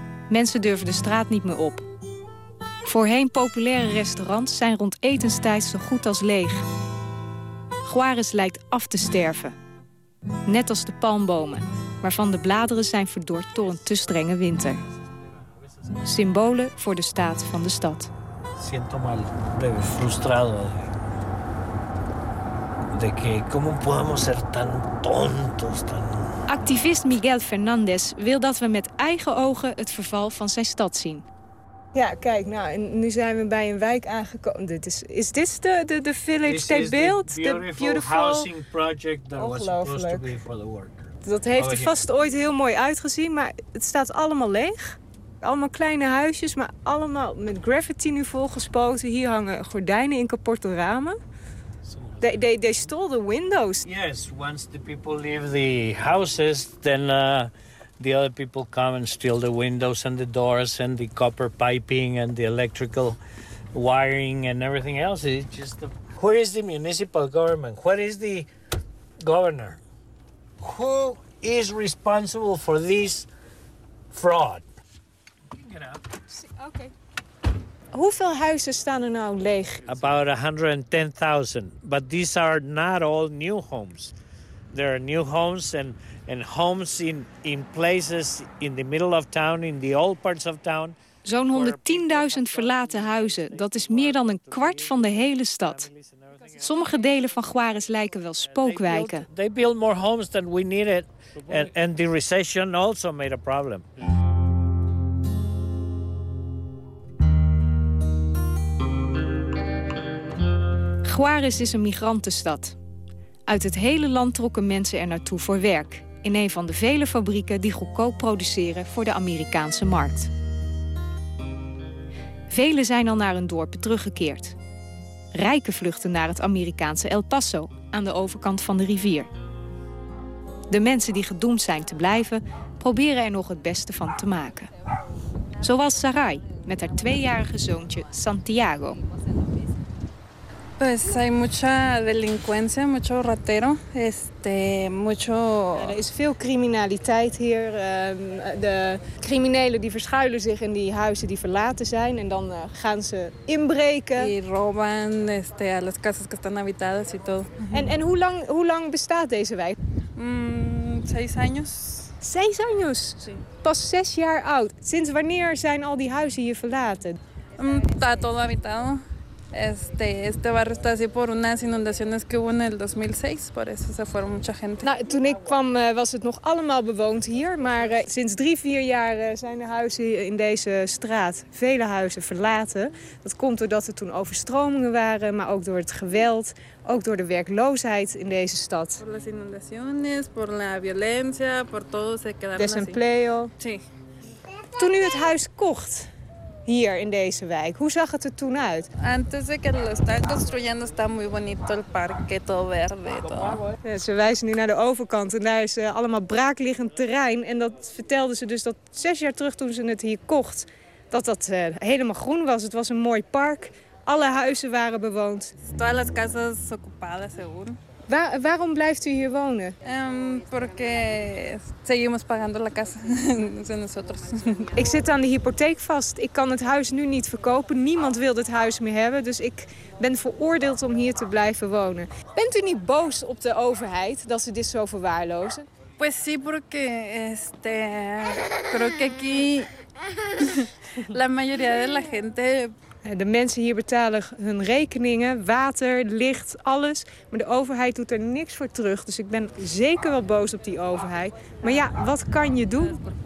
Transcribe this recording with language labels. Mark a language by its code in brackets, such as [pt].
[nl] Mensen durven de straat niet meer op. Voorheen populaire restaurants zijn rond etenstijd zo goed als leeg. Juárez lijkt af te sterven. Net als de palmbomen, waarvan de bladeren zijn verdord door een te strenge winter. Symbolen voor de staat van de stad. [es] Siento mal, baby, frustrado. De que cómo podemos ser tan tontos, tan. [nl] Activist Miguel Fernández wil dat we met eigen ogen het verval van zijn stad zien. Ja, kijk, nou, en nu zijn we bij een wijk aangekomen. Is dit de village [en] they built? The beautiful housing project that was supposed to be for the worker. [nl] Dat heeft er vast ooit heel mooi uitgezien, maar het staat allemaal leeg. Allemaal kleine huisjes, maar allemaal met graffiti nu volgespoten. Hier hangen gordijnen in kapotte ramen. [en] They stole the windows. Yes, once the people leave the houses, then the other people come and steal the windows and the doors and the copper piping and the electrical wiring and everything else. It's just the, where is the municipal government? What is the governor? Who is responsible for this fraud? [nl] Okay. Hoeveel huizen staan er nou leeg? [en] About 110,000. But these are not all new homes. There are new homes and homes in places in the middle of town, in the old parts of town. [nl] Zo'n 110.000 verlaten huizen, dat is meer dan een kwart van de hele stad. Sommige delen van Juarez lijken wel spookwijken. [en] They build more homes than we needed. And the recession also made a problem. [nl] Juarez is een migrantenstad. Uit het hele land trokken mensen er naartoe voor werk. In een van de vele fabrieken die goedkoop produceren voor de Amerikaanse markt. Velen zijn al naar hun dorpen teruggekeerd. Rijken vluchten naar het Amerikaanse El Paso, aan de overkant van de rivier. De mensen die gedoemd zijn te blijven, proberen er nog het beste van te maken. Zoals Sarai, met haar 2-jarige zoontje Santiago. [es] Pues hay mucha delincuencia, mucho ratero, mucho. [nl] Er is veel criminaliteit hier. De criminelen die verschuilen zich in die huizen die verlaten zijn en dan gaan ze inbreken. [es] Y roban, a las casas que están habitadas y todo. [nl] En hoe lang bestaat deze wijk? [es] 6 años. 6 años? Sí. [nl] Pas 6 jaar oud. Sinds wanneer zijn al die huizen hier verlaten? [es] Está todo habitado. Este barrio está así por unas inundaciones que hubo en el 2006, por eso se fueron mucha gente. [nl] Nou, toen ik kwam was het nog allemaal bewoond hier, maar sinds 3-4 jaar zijn de huizen in deze straat, vele huizen, verlaten. Dat komt doordat er toen overstromingen waren, maar ook door het geweld, ook door de werkloosheid in deze stad. [es] Por las inundaciones, por la violencia, por todo se quedaron así. Desempleo. Sí. [nl] Toen u het huis kocht hier in deze wijk. Hoe zag het er toen uit? [es] Antes de que lo están construyendo está muy bonito el parque, todo verde. Todo. [nl] Ja, ze wijzen nu naar de overkant en daar is allemaal braakliggend terrein. En dat vertelden ze dus dat 6 jaar terug toen ze het hier kocht, dat helemaal groen was. Het was een mooi park. Alle huizen waren bewoond. [es] Todas las casas ocupadas, seguro. [nl] Waarom blijft u hier wonen? [es] Porque seguimos pagando la casa. De nosotros. [nl] Ik zit aan de hypotheek vast. Ik kan het huis nu niet verkopen. Niemand wil het huis meer hebben. Dus ik ben veroordeeld om hier te blijven wonen. Bent u niet boos op de overheid dat ze dit zo verwaarlozen? [es] Pues sí, porque creo que aquí la mayoría de la gente. [nl] De mensen hier betalen hun rekeningen, water, licht, alles. Maar de overheid doet er niks voor terug. Dus ik ben zeker wel boos op die overheid. Maar ja, wat kan je doen?